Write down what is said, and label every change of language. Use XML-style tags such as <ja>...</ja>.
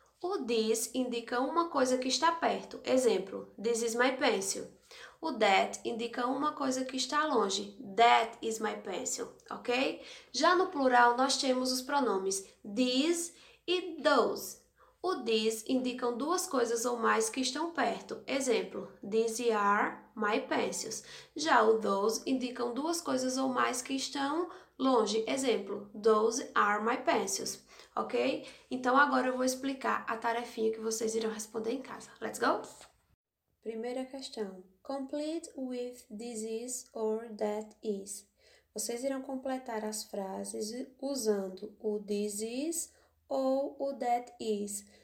<pt>O this indica uma coisa que está perto. Exemplo,</pt> <en>this is my pencil.</en> <pt>O that indica uma coisa que está longe.</pt> <en>That is my pencil, ok?</en> <pt>Já no plural, nós temos os pronomes this e those. O this indicam duas coisas ou mais que estão perto.</pt> <en>Exemplo, these are my pencils.</en> <pt>Já o those indicam duas coisas ou mais que estão longe.</pt> <en>Exemplo, those are my pencils. Ok?</en> <pt>Então agora eu vou explicar a tarefinha que vocês irão responder em casa.</pt> <en>Let's go!</en> <pt>Primeira questão:</pt> <en>complete with this is or that is.</en> <pt>Vocês irão completar as frases usando o this is ou o that is.</pt>